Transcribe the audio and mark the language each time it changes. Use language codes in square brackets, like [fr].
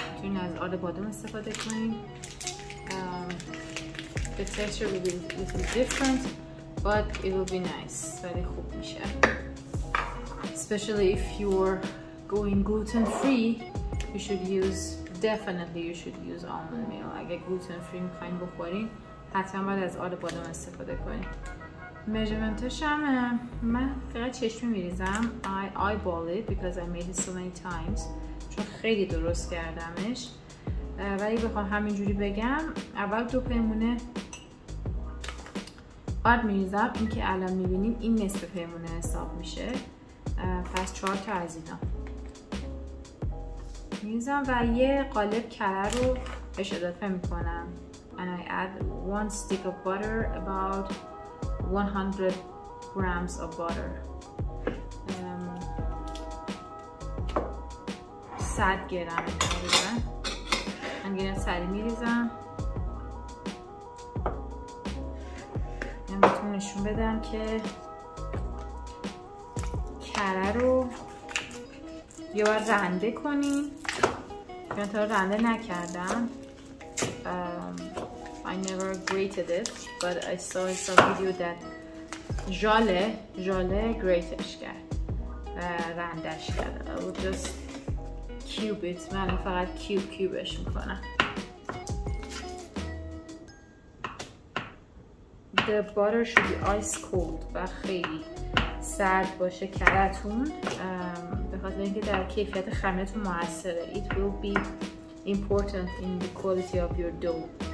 [fa] چون از آرد بادام استفاده کنیم. [en] The texture will be a little different, but it will be nice. [fa] ولی خوب میشه. [en] Especially if you're going gluten-free, you should use Definitely you should use almond meal. [fa] اگه gluten free میخواییم بخوریم حتما باید از آرد بادام استفاده کنیم. Measurementش هم من فقط چشمی میریزم. [en] I eyeball it because I made it so many times. [fa] چون خیلی درست کردمش. ولی بخوام همینجوری بگم. اول دو پیمونه آرد میریزم. این که الان میبینیم این نصف پیمونه حساب میشه. پس چهار تا از اینا. میزم و یه قالب کره رو بهش اضافه میکنم. [en] And I add one stick of butter, about 100 grams of butter. [fa] 100 گرم میریزم. من گیره سری میریزم. نمیتونم نشون بدم که کره رو یه بار رنده کنیم. من تا رنده نکردم. [en] I never grated it, but I saw in some video that Jale gratish کرد. [fa] رندش کرد. [en] I will just cube it. [fa] من فقط cubeش میکنم. [en] The butter should be ice cold [fa] و خیلی سرد باشه کرتون. بخاطر اینکه در کیفیت خمیرتون موثره. [en] It will be important in the quality of your dough.